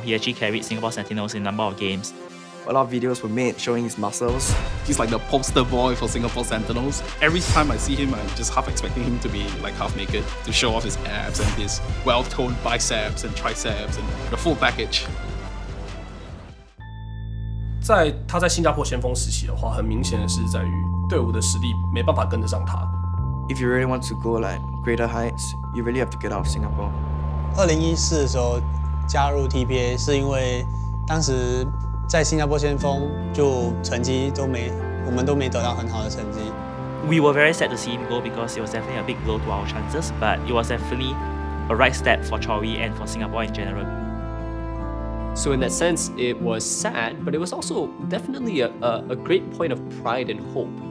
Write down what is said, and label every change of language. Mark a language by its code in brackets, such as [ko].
[en] He actually carried Singapore Sentinels in a number of games. A lot of videos were made showing his muscles. He's like the poster boy for Singapore Sentinels. Every time I see him, I'm just half expecting him to be like half naked to show off his abs and his well-toned biceps and triceps and the full package. [zh] 在他在新加坡前锋时期的话，很明显的是在于队伍的实力没办法跟得上他。 [en] If you really want to go like greater heights, you really have to get out of Singapore. [zh] 2014的时候加入 TBA 是因为当时在新加坡先锋就成绩都没，我们都没得到很好的成绩。 [en] We were very sad to see him go because it was definitely a big blow to our chances, but it was definitely a right step for Chawy and for Singapore in general. So in that sense, it was sad, but it was also definitely a great point of pride and hope.